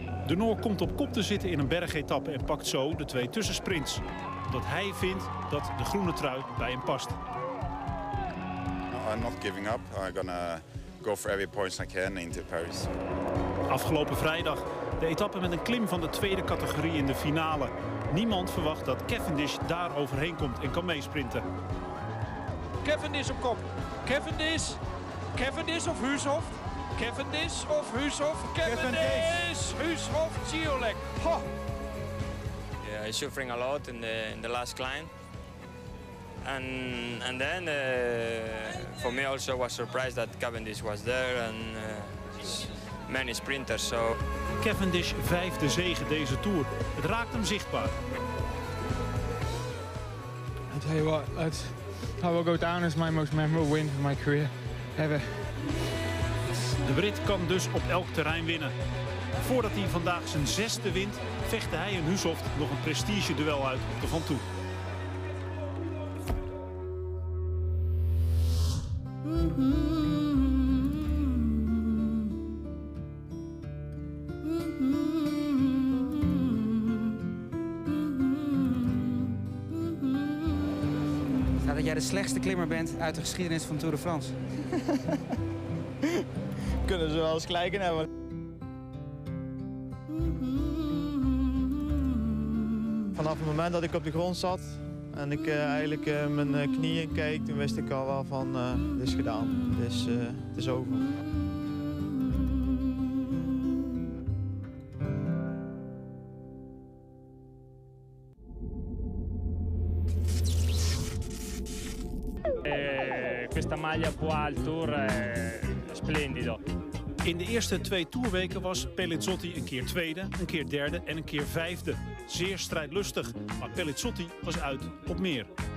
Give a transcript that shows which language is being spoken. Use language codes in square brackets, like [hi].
[nl] De Noor komt op kop te zitten in een bergetappe en pakt zo de twee tussensprints, omdat hij vindt dat de groene trui bij hem past. [en] No, I'm not giving up. I'm gonna go for every point I can into Paris. [nl] Afgelopen vrijdag de etappe met een klim van de tweede categorie in de finale. Niemand verwacht dat Cavendish daar overheen komt en kan meesprinten. Cavendish op kop. Cavendish. Cavendish of Husshofft? Cavendish of Husshofft? Cavendish. Husshofft, Ciolek. [en] Ja, yeah, he's suffering a lot in the last climb. And then for me also was surprised that Cavendish was there and many sprinters. So [nl] Cavendish vijfde zege deze tour. Het raakt hem zichtbaar. [en] I tell you what, I will go down as my most memorable win of my career ever. [nl] De Brit kan dus op elk terrein winnen. Voordat hij vandaag zijn zesde wint, vechtte hij en Husshofft nog een prestige duel uit op de Van Toe. Nou, dat jij de slechtste klimmer bent uit de geschiedenis van Tour de France. Kunnen ze wel eens gelijk in hebben. Vanaf het moment dat ik op de grond zat en ik eigenlijk mijn knieën keek, toen wist ik al wel van, het is gedaan, het is over. [it] Questa maglia qua al tour è splendido. [nl] In de eerste twee tourweken was Pellizzotti een keer tweede, een keer derde en een keer vijfde. Zeer strijdlustig, maar Pellizzotti was uit op meer.